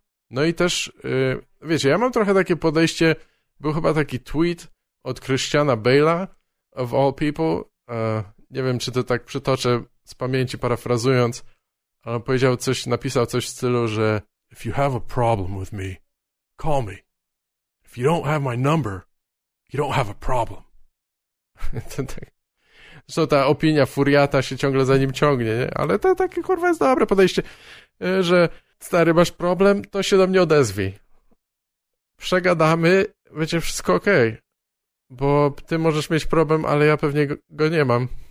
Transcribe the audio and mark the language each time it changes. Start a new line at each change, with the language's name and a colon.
Polish: No i też, wiecie, ja mam trochę takie podejście, był chyba taki tweet od Christiana Bale'a,
English: of all people,
Polish: nie wiem, czy to tak przytoczę z pamięci, parafrazując, ale powiedział coś, napisał coś w stylu, że
English: if you have a problem with me, call me. If you don't have my number, you don't have a problem.
Polish: Zresztą ta opinia furiata się ciągle za nim ciągnie, nie? Ale to takie, kurwa, jest dobre podejście, że stary, masz problem, to się do mnie odezwij. Przegadamy, będzie wszystko okej. Okay. Bo ty możesz mieć problem, ale ja pewnie go nie mam.